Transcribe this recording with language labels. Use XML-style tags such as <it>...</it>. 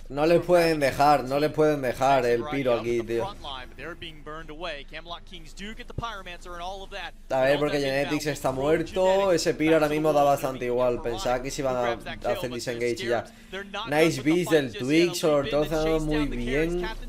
<es>No le pueden dejar el piro aquí, tío.</es> <en>They're being burned away. Camelot Kings do get the pyromancer and all of that.</en> <es>A ver, porque Genetics está muerto. Ese piro ahora mismo da bastante igual. Pensaba que se iban a hacer disengage y ya.</es> <en>Nice beast</en> <es>del Twig, sobre todo se ha dado muy bien.</es>